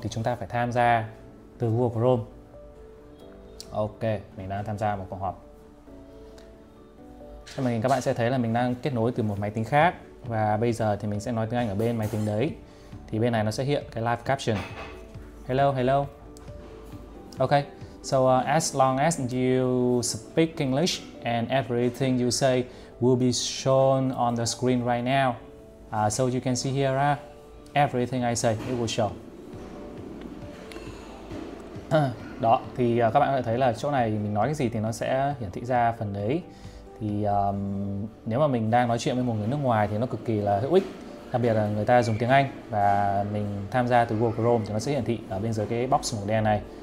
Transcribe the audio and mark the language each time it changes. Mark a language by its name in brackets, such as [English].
[Vietnamese] Thì chúng ta phải tham gia từ Google Chrome. Ok, mình đang tham gia một cuộc họp. Trên màn hình các bạn sẽ thấy là mình đang kết nối từ một máy tính khác và bây giờ thì mình sẽ nói tiếng Anh ở bên máy tính đấy. Thì bên này nó sẽ hiện cái live caption. [English] Hello, hello. Ok, so as long as you speak English and everything you say will be shown on the screen right now. So you can see here, everything I say, it will show. [Vietnamese] Đó, thì các bạn có thể thấy là chỗ này mình nói cái gì thì nó sẽ hiển thị ra phần đấy. Thì nếu mà mình đang nói chuyện với một người nước ngoài thì nó cực kỳ là hữu ích. Đặc biệt là người ta dùng tiếng Anh và mình tham gia từ Google Chrome thì nó sẽ hiển thị ở bên dưới cái box màu đen này.